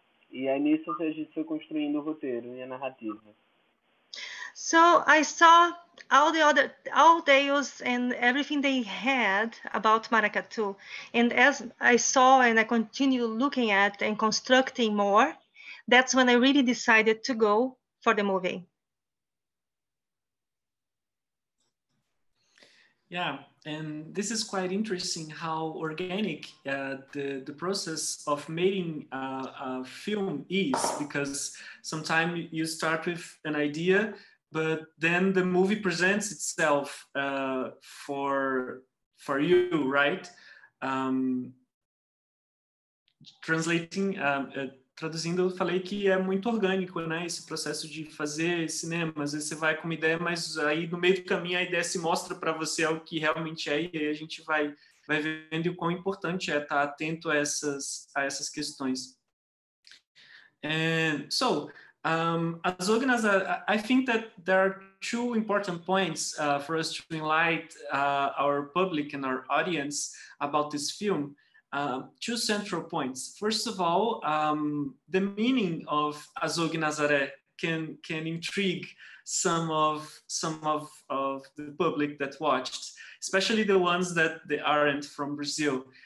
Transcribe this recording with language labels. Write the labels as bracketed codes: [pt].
[pt] E aí nisso a gente foi construindo o roteiro e a narrativa. [en] So I saw all tales and everything they had about Maracatu. And as I saw and I continue looking at and constructing more, that's when I really decided to go for the movie. Yeah, and this is quite interesting how organic the process of making a film is, because sometimes you start with an idea, but then the movie presents itself for you, right? Translating, [pt] traduzindo, eu falei que é muito orgânico, né, esse processo de fazer cinema. Às vezes você vai com uma ideia, mas aí no meio do caminho a ideia se mostra para você o que realmente é, e aí a gente vai vendo o quão importante é estar atento a essas questões. [en] And so, as organizers, I think that there are two important points for us to enlighten our public and our audience about this film. Two central points. First of all, the meaning of Azogue Nazaré can intrigue some of the public that watched, especially the ones that they aren't from Brazil.